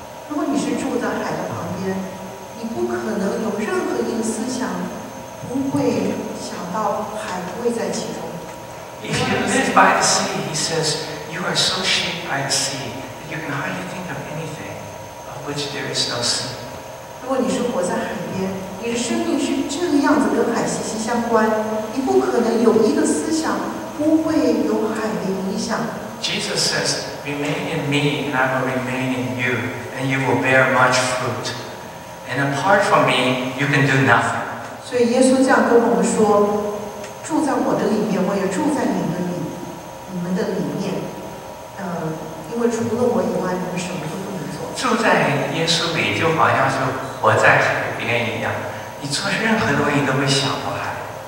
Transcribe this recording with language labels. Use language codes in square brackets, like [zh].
[zh] 如果你是住在海的旁边，你不可能有任何一个思想不会想到海不会在其中。 [en] If you live by the sea, he says, you are so shaped by the sea that you can hardly think of anything of which there is no sea. [zh] 如果你是活在海边，你的生命是这个样子，跟海息息相关，你不可能有一个思想不会有海的影响。 [en] Jesus says, remain in me and I will remain in you and you will bear much fruit. And apart from me, you can do nothing. [zh] 所以耶稣这样跟我们说，住在我的里面，我也住在你们里，你们的里面。因为除了我以外，你们什么都不能做。住在耶稣里就好像是活在海边一样，你做任何东西都会想到海。